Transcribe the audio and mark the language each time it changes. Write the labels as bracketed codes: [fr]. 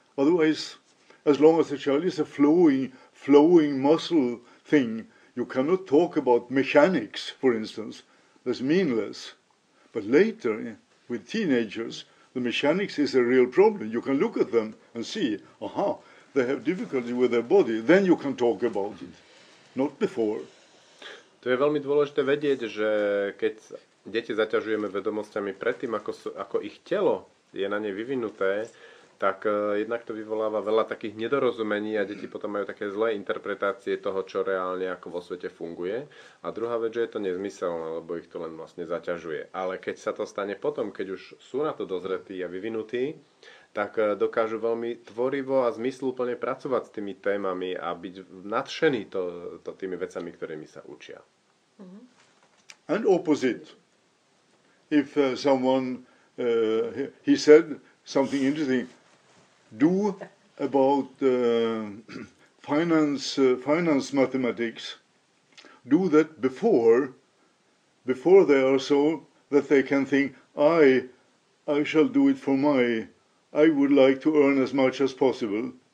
[en] Otherwise, as long as the child is a flowing muscle thing, you cannot talk about mechanics, for instance. That's meaningless. But later, with teenagers, the mechanics is a real problem. You can look at them and see, aha, they have difficulty with their body. Then you can talk about it. Not before. [sk] To je veľmi dôležité vedieť, že keď deti zaťažujeme vedomosťami predtým, ako, ako ich telo je na ne vyvinuté, tak jednak to vyvoláva veľa takých nedorozumení a deti potom majú také zlé interpretácie toho, čo reálne ako vo svete funguje. A druhá vec, že je to nezmyselné, lebo ich to len vlastne zaťažuje. Ale keď sa to stane potom, keď už sú na to dozretí a vyvinutí, tak dokážu veľmi tvorivo a zmysluplne pracovať s tými témami a byť nadšení to tými vecami, ktorými sa učia. [en] And opposite. If someone he said something interesting, do about finance mathematics, do that before they are so that they can think, I shall do it for my, I would like to earn as much as possible.